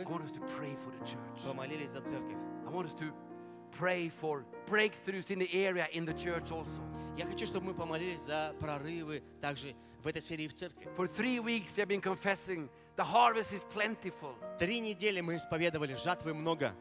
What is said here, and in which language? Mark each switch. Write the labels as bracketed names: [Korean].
[English] I want us to pray for the church. [Russian] Помолились за церковь. [English] I want us to pray for breakthroughs in the area in the church also. [Russian] Я хочу, чтобы мы помолились за прорывы также в этой сфере и в церкви. [English] For 3 weeks we have been confessing the harvest is plentiful. [Russian] 3 недели мы исповедовали, жатвы много.